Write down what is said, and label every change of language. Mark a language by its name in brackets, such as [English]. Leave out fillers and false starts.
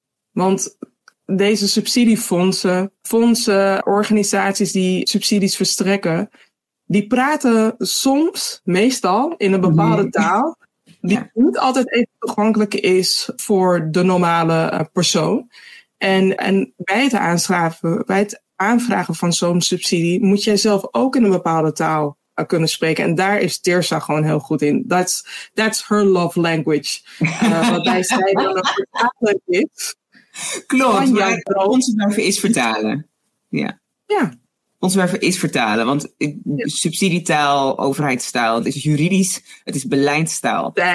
[Dutch] Want deze subsidiefondsen, fondsen, organisaties die subsidies verstrekken, die praten soms, meestal, in een bepaalde taal, die niet altijd even toegankelijk is voor de normale persoon. En bij het aanvragen van zo'n subsidie moet jij zelf ook in een bepaalde taal kunnen spreken. En daar is Tirsa gewoon heel goed in. [English] That's her love language. [Dutch] Waarbij zij dan een vertaler is. Klopt. Maar ons werf is vertalen. Ja. Ja. Ons werf is vertalen. Want subsidietaal, overheidstaal, het is juridisch, het is beleidstaal.